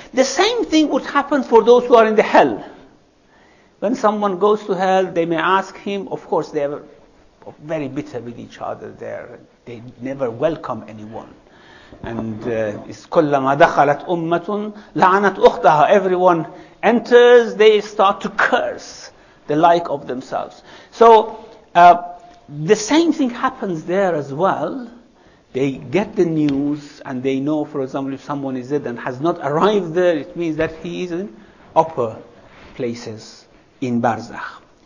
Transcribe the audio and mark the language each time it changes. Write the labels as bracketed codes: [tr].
[en] The same thing would happen for those who are in the hell. When someone goes to hell, they may ask him, of course they have very bitter with each other there. They never welcome anyone. And it's [ar] كُلَّمَا دَخَلَتْ أُمَّةٌ لَعَنَتْ أُخْتَهَا. [en] Everyone enters, they start to curse the like of themselves. So the same thing happens there as well. They get the news and they know, for example, if someone is dead and has not arrived there, it means that he is in upper places in Barzakh.